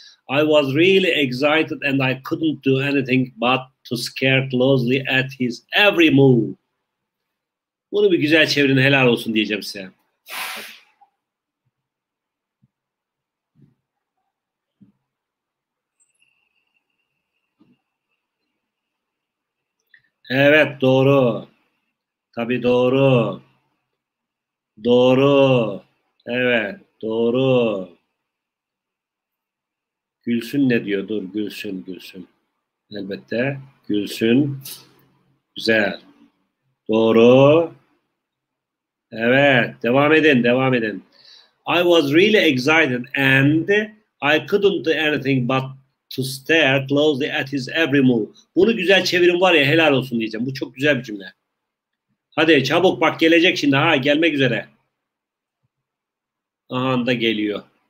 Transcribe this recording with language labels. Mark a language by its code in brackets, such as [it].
[en] I was really excited and I couldn't do anything but to stare closely at his every move. [tr] Bunu bir güzel çevirin, helal olsun diyeceğim size. Evet, doğru. Tabii doğru. Doğru. Evet, doğru. Gülsün ne diyor? Dur, gülsün, gülsün. Elbette, gülsün. Güzel. Doğru. Evet, devam edin, devam edin. [en] I was really excited and I couldn't do anything but to stare closely at his every move. [tr] Bunu güzel çevirin var ya, helal olsun diyeceğim. Bu çok güzel bir cümle. Hadi çabuk bak, gelecek şimdi, ha gelmek üzere. Aha da geliyor.